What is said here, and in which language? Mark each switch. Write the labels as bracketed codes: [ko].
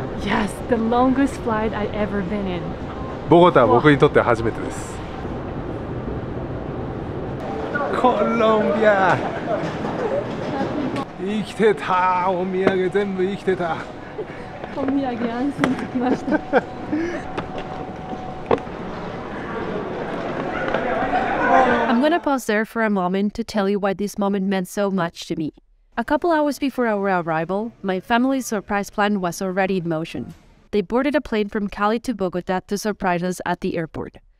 [en] Yes, the longest flight I've ever been in. [ja] ボゴタは僕にとって初めてです。コロンビア。生きてた。お土産全部生きてた。お土産安心できました。 [en] I'm gonna pause there for a moment to tell you why this moment meant so much to me. A couple hours before our arrival, my family's surprise plan was already in motion. They boarded a plane from Cali to Bogota to surprise us at the airport.